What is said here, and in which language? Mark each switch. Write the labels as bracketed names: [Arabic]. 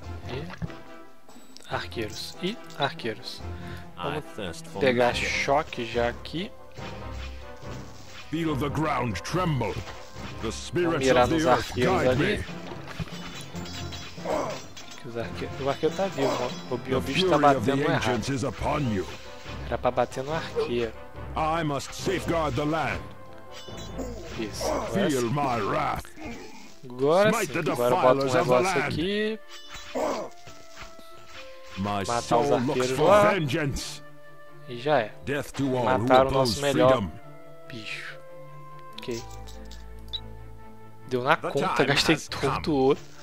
[Portuguese] E arqueiros. E arqueiros. Vamos pegar choque já aqui. [English] Feel the ground tremble. The spirit of the earth guide me. [Portuguese] Arqueiros ali. O arqueiro tá vivo, ó. O bicho tá batendo errado. Era pra bater no arqueiro. [English] I must safeguard the land. [Portuguese] Isso. [English] Feel my wrath. [Portuguese] Agora sim. Agora bota um negócio aqui. Matar os arqueiros lá. E já é. [English] Death to all. [Portuguese] Mataram o nosso melhor [English] freedom. [Portuguese] Bicho. Ok. Deu na conta, gastei todo o ouro.